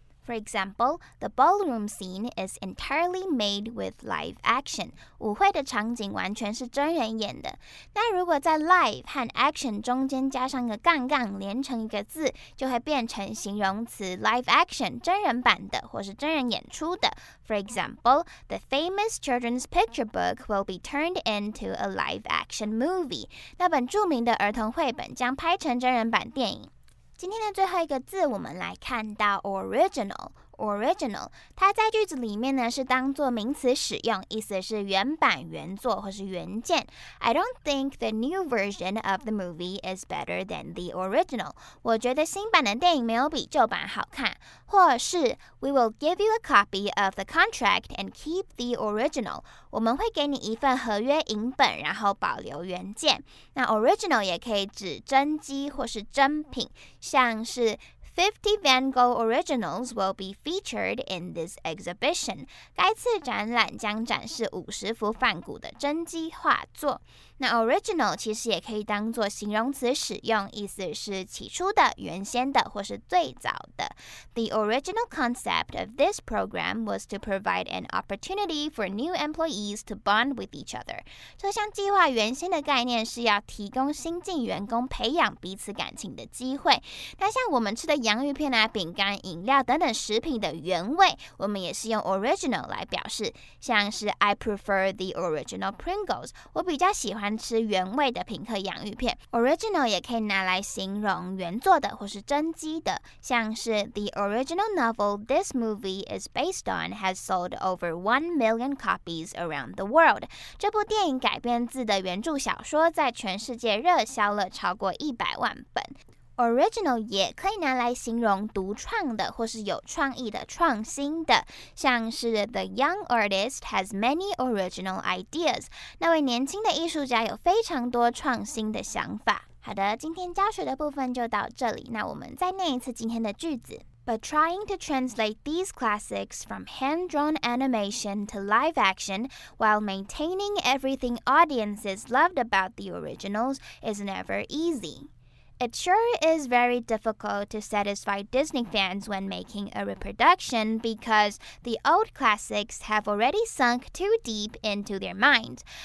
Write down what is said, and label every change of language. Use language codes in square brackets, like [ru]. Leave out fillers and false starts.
[en] For example, the ballroom scene is entirely made with live action. [zh] 舞会的场景完全是真人演的。那如果在 live 和 action 中间加上个杠杠，连成一个字，就会变成形容词 live action, 真人版的或是真人演出的。 [en] For example, the famous children's picture book will be turned into a live action movie. [zh] 那本著名的儿童绘本将拍成真人版电影。今天的最后一个字，我们来看到 original。 original 它在句子里面呢是当作名词使用，意思是原版、原作或是原件。 [en] I don't think the new version of the movie is better than the original. [zh] 我觉得新版的电影没有比旧版好看。或是 [en] We will give you a copy of the contract and keep the original. [zh] 我们会给你一份合约影本，然后保留原件。那 original 也可以指真机或是真品，像是 [en] 50 Van Gogh originals will be featured in this exhibition. [zh] 该次展览将展示50幅梵谷的真迹画作。那 original 其实也可以当作形容词使用，意思是起初的、原先的或是最早的。 [en] The original concept of this program was to provide an opportunity for new employees to bond with each other. [zh] 这项计划原先的概念是要提供新进员工培养彼此感情的机会。那像我们吃的洋芋片啊、饼干、饮料等等食品的原味，我们也是用 original 来表示，像是 [en] I prefer the original Pringles， [zh] 我比较喜欢吃原味的品客洋芋片。 original 也可以拿来形容原作的或是真机的，像是 [en] The original novel this movie is based on has sold over 1 million copies around the world， [zh] 这部电影改编自的原著小说在全世界热销了超过100万本。 Original 也可以拿来形容独创的或是有创意的、创新的，像是 [en] The young artist has many original ideas， [zh] 那位年轻的艺术家有非常多创新的想法。好的，今天教学的部分就到这里，那我们再念一次今天的句子。 [en] But trying to translate these classics from hand-drawn animation to live action while maintaining everything audiences loved about the originals is never easy. It sure is very difficult to satisfy Disney fans when making a reproduction because the old classics have already sunk too deep into their minds.